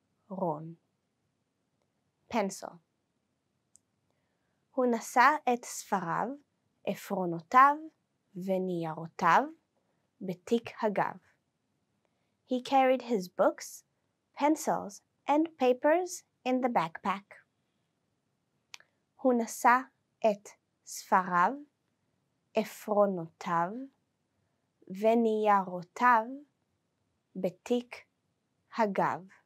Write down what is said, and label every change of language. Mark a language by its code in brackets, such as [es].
[he] עיפרון. [en] Pencil. [he] הוא נשא את ספריו, עפרונותיו וניירותיו בתיק הגב. [en] He carried his books, pencils, and papers in the backpack. [he] הוא נשא את ספריו, עפרונותיו וניירותיו בתיק הגב.